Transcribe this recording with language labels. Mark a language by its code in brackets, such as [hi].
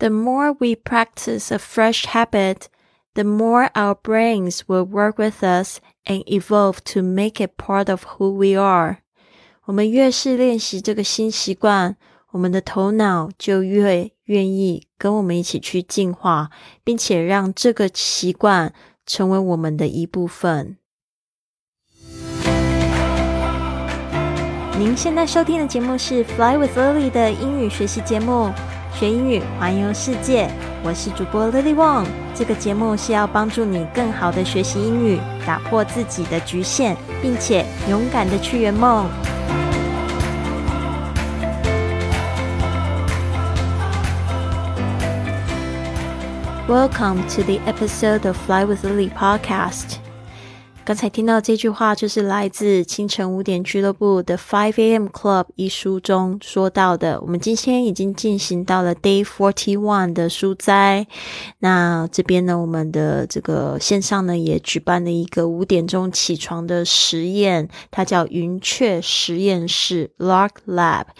[en] The more we practice a fresh habit, the more our brains will work with us and evolve to make it part of who we are. [zh] 我们越是练习这个新习惯，我们的头脑就越愿意跟我们一起去进化，并且让这个习惯成为我们的一部分。您现在收听的节目是 Fly with Lily 的英语学习节目，学英语环游世界，我是主播 Lily Wong。这个节目是要帮助你更好的学习英语，打破自己的局限，并且勇敢的去圆梦。 [en] Welcome to the episode of Fly with Lily podcast. [zh] 刚才听到这句话就是来自清晨五点俱乐部的 5AM Club 一书中说到的。我们今天已经进行到了 Day 41的书斋。那这边呢，我们的这个线上呢也举办了一个五点钟起床的实验，它叫云雀实验室 Lark Lab。